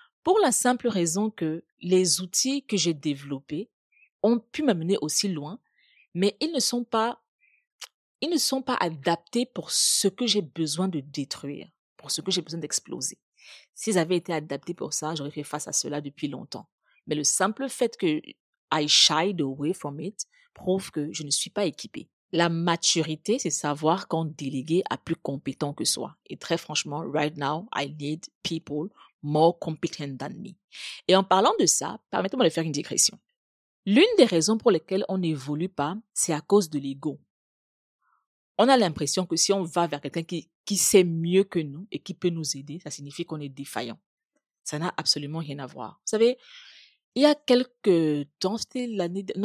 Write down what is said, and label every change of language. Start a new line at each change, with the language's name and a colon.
French: Pour la simple raison que les outils que j'ai développés ont pu m'amener aussi loin, mais ils ne sont pas adaptés pour ce que j'ai besoin de détruire, pour ce que j'ai besoin d'exploser. S'ils avaient été adaptés pour ça, j'aurais fait face à cela depuis longtemps. Mais le simple fait que
English: I shied away from it
French: prouve que je ne suis pas équipée. La maturité, c'est savoir quand déléguer à plus compétent que soi. Et très franchement,
English: right now, I need people more competent than me.
French: Et en parlant de ça, permettez-moi de faire une digression. L'une des raisons pour lesquelles on n'évolue pas, c'est à cause de l'ego. On a l'impression que si on va vers quelqu'un qui sait mieux que nous et qui peut nous aider, ça signifie qu'on est défaillant. Ça n'a absolument rien à voir. Vous savez, il y a quelque temps, c'était l'année...